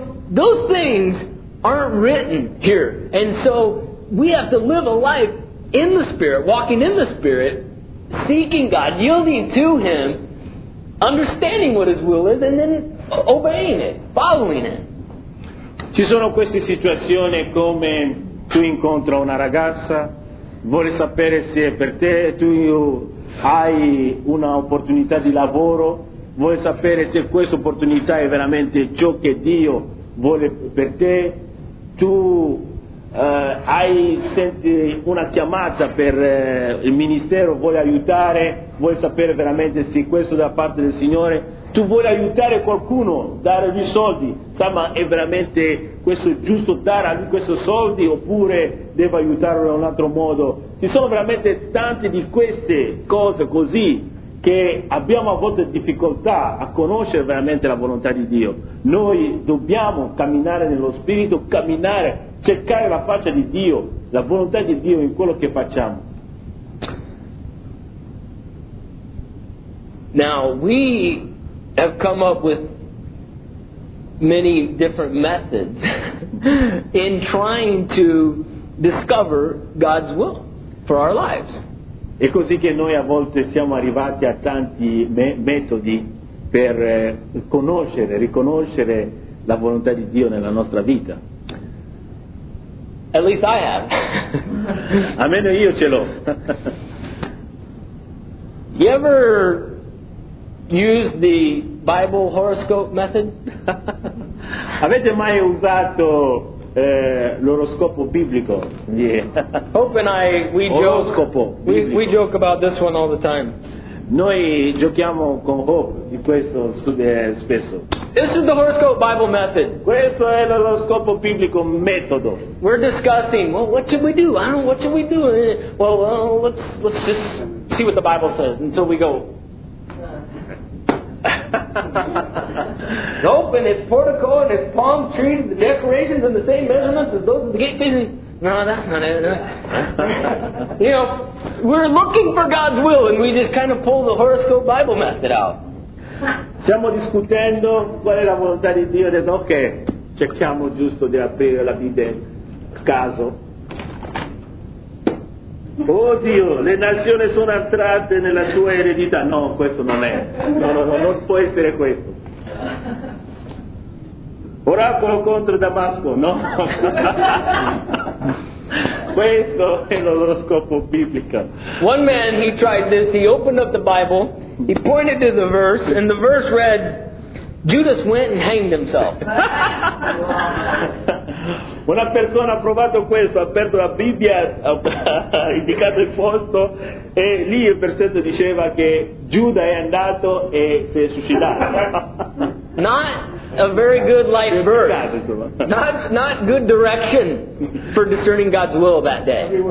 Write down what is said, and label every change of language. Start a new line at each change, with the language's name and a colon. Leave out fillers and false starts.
English: Those things aren't written here. And so we have to live a life in the Spirit, walking in the Spirit, seeking God, yielding to Him, understanding what His will is, and then obeying it, following it.
Italian: Ci sono queste situazioni come tu incontra una ragazza, vuole sapere se è per te, tu hai un'opportunità di lavoro, vuole sapere se questa opportunità è veramente ciò che Dio vuole per te, tu senti una chiamata per il ministero, vuole aiutare, vuole sapere veramente se questo è da parte del Signore, tu vuole aiutare qualcuno, dare gli soldi, sa, ma è veramente questo giusto dare a lui questi soldi oppure devo aiutarlo in un altro modo? Ci sono veramente tante di queste cose così che abbiamo a volte difficoltà a conoscere veramente la volontà di Dio. Noi dobbiamo camminare nello Spirito, camminare, cercare la faccia di Dio, la volontà di Dio in quello che facciamo.
English: Now, we have come up with many different methods in trying to discover God's will for our lives.
Italian: È così che noi a volte siamo arrivati a tanti metodi per conoscere, riconoscere la volontà di Dio nella nostra vita.
English: At least I have.
Italian: Almeno io ce l'ho.
English: You ever use the Bible horoscope method?
Italian: Avete mai usato l'oroscopo biblico?
English: Yeah. Hope and I, we joke about this one all the time.
Italian: Noi giochiamo con Hope di questo spesso.
English: This is the horoscope Bible method.
Italian: Questo è l'oroscopo biblico metodo.
English: We're discussing, well, what should we do? I don't know, what should we do? Well, let's just see what the Bible says until we go. Nope, and it's portico and it's palm tree, the decorations and the same measurements as those of the gate vision. No, that's not it. You know, we're looking for God's will and we just kind of pull the horoscope Bible method out.
Italian: Stiamo discutendo qual è la volontà di Dio, detto ok, cerchiamo giusto di aprire la Bibbia caso. Oh Dio, le nazioni sono entrate nella tua eredità. No, questo non è. No, non può essere questo. Oracolo contro Damasco, no. Questo è l'oroscopo biblico.
English: One man, he tried this, he opened up the Bible, he pointed to the verse, and the verse read, Judas went and hanged himself.
Italian: Una persona ha provato questo, ha aperto la Bibbia, ha indicato il posto, e lì il versetto diceva che Giuda è andato e si è suicidato.
English: Not a very good life verse. Not good direction for discerning God's will that day.